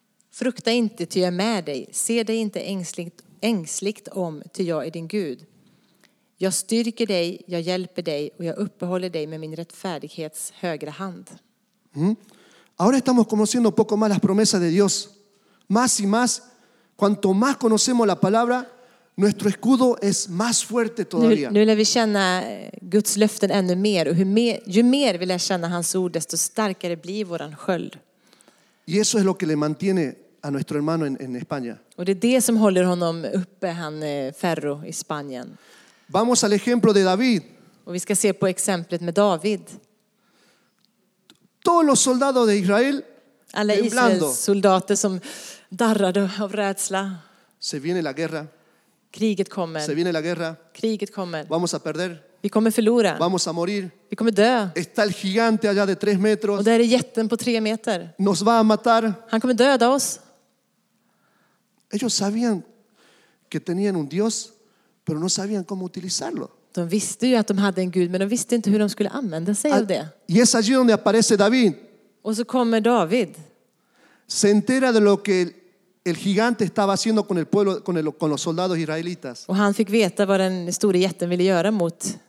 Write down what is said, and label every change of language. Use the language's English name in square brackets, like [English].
[Swedish] Frukta inte, ty jag är med dig. Se dig inte ängsligt om, ty jag är din Gud. Jag styrker dig, jag hjälper dig och jag uppehåller dig med min rättfärdighets högra hand. Mm. [Spanish] Ahora estamos conociendo un poco más las promesas de Dios. Más y más, cuanto más conocemos la palabra, nuestro escudo es más fuerte todavía. [Swedish] Nu lär vi känna Guds löften ännu mer, och ju mer vi lär känna hans ord, desto starkare blir våran sköld. [Spanish] Y eso es lo que le mantiene a nuestro hermano en España. [Swedish] Och det är det som håller honom uppe, han Ferro i Spanien. [Spanish] Vamos al ejemplo de David. [Swedish] Och vi ska se på exemplet med David. [Spanish] Todos los soldados de Israel, [Swedish] alla Israels soldater som darrade av rädsla. [Spanish] Se viene la guerra. [Swedish] Kriget kommer. [Spanish] Se viene la guerra. [Swedish] Kriget kommer. [Spanish] Vamos a perder. [Swedish] Vi kommer förlora. [Spanish] Vamos a morir. [Swedish] Vi kommer dö. [Spanish] Está el gigante allá de 3 metros. [Swedish] Och där är jätten på 3 meter. [Spanish] Nos va a matar. [Swedish] Han kommer döda oss. [Spanish] Ellos sabían que tenían un Dios, pero no sabían cómo utilizarlo. [Swedish] De visste ju att de hade en Gud, men de visste inte hur de skulle använda sig av det. [Spanish] Y es allí donde aparece David. [Swedish] Och så kommer David. [Spanish] Se entera de lo que el gigante estaba haciendo con el pueblo, con los soldados israelitas. [Swedish] Och han fick veta vad den stora jätten ville göra mot